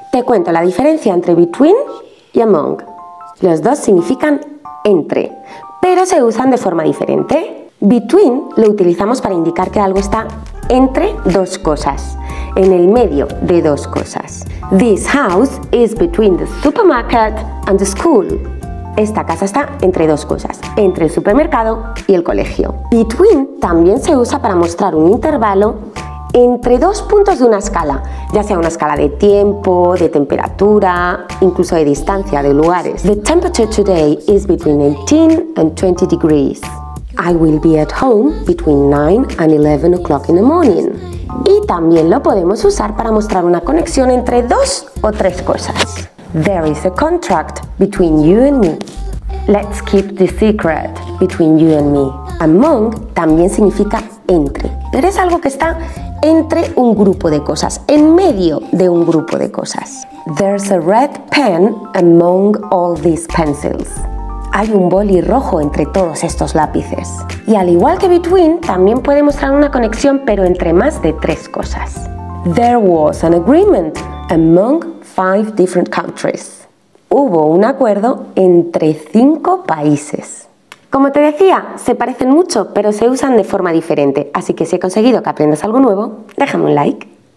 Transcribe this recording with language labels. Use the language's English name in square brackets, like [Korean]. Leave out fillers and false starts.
[Spanish] Te cuento la diferencia entre between y among. Los dos significan entre, pero se usan de forma diferente. Between lo utilizamos para indicar que algo está entre dos cosas, en el medio de dos cosas. [English] This house is between the supermarket and the school. [Spanish] Esta casa está entre dos cosas, entre el supermercado y el colegio. Between también se usa para mostrar un intervalo entre dos puntos de una escala, ya sea una escala de tiempo, de temperatura, incluso de distancia, de lugares. [English] The temperature today is between 18 and 20 degrees. I will be at home between 9 and 11 o'clock in the morning. [Spanish] Y también lo podemos usar para mostrar una conexión entre dos o tres cosas. [English] There is a contract between you and me. Let's keep the secret between you and me. [Spanish] Among también significa entre, pero es algo que está entre un grupo de cosas, en medio de un grupo de cosas. [English] There's a red pen among all these pencils. [Spanish] Hay un boli rojo entre todos estos lápices. Y al igual que between, también puede mostrar una conexión, pero entre más de tres cosas. [English] There was an agreement among five different countries. [Spanish] Hubo un acuerdo entre cinco países. Como te decía, se parecen mucho, pero se usan de forma diferente. Así que si he conseguido que aprendas algo nuevo, déjame un like.